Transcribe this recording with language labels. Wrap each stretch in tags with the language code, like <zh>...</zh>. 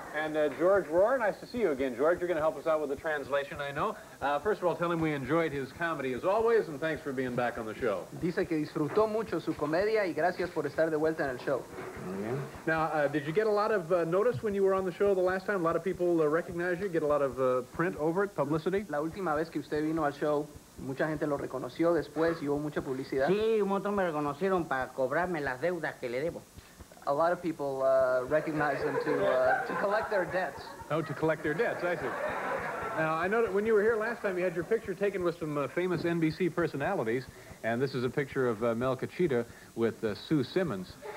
<en>And George Rohr, nice to see you again. George, you're going to help us out with the translation, I know. First of all, tell him we enjoyed his comedy as always, and thanks for being back on the show.</en> <es>Dice que disfrutó mucho su comedia, y gracias por estar de vuelta en el show.</es> <en>Yeah. Now, did you get a lot of notice when you were on the show the last time? A lot of people recognize you, get a lot of print over it, publicity?</en> <es>La última vez que usted vino al show, mucha gente lo reconoció después, y hubo mucha publicidad. Sí, un montón me reconocieron para cobrarme las deudas que le debo.</es> <en>A lot of people recognize them to collect their debts. Oh, to collect their debts, I see. Now, I know that when you were here last time, you had your picture taken with some famous NBC personalities, and this is a picture of Mel Cachita with Sue Simmons.</en>